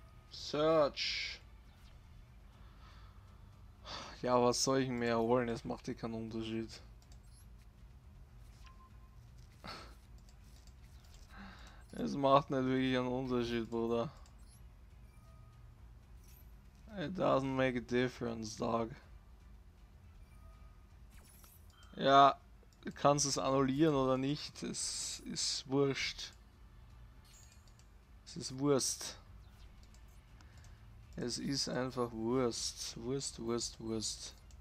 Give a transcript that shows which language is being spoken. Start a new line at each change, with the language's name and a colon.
English: Search.
German: Ja, was soll ich mehr holen? Es macht hier keinen Unterschied. Es macht nicht wirklich einen Unterschied, Bruder.
English: It doesn't make a difference, dog.
German: Ja, du kannst es annullieren oder nicht. Es ist wurscht. Es ist Wurst. Es ist einfach Wurst. Wurst, Wurst, Wurst.